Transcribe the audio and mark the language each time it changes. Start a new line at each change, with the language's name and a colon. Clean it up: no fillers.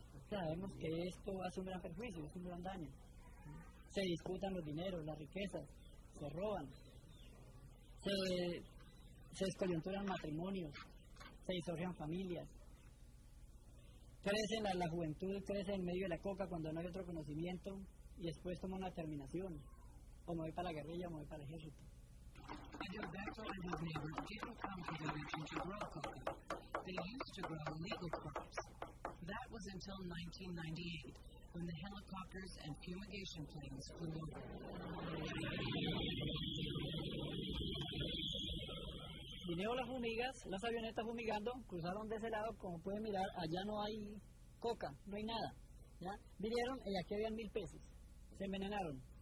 Spanish: Sabemos que esto hace un gran perjuicio, es un gran daño. Se disputan los dineros, las riquezas, se roban, se descoyunturan matrimonios, se disolvían familias. Crece la juventud, crece en medio de la coca cuando no hay otro conocimiento y después toma una determinación. O me voy para la guerrilla, o me voy para el ejército.
English: And Roberto and his neighbors didn't come to the region to grow coca. They used to grow illegal crops. That was until 1998, when the helicopters and fumigation planes flew over.
Spanish: Vinieron las fumigas, las avionetas fumigando, cruzaron de ese lado, como pueden mirar, allá no hay coca, no hay nada. ¿Ya? Vinieron y aquí habían mil peces. Se envenenaron.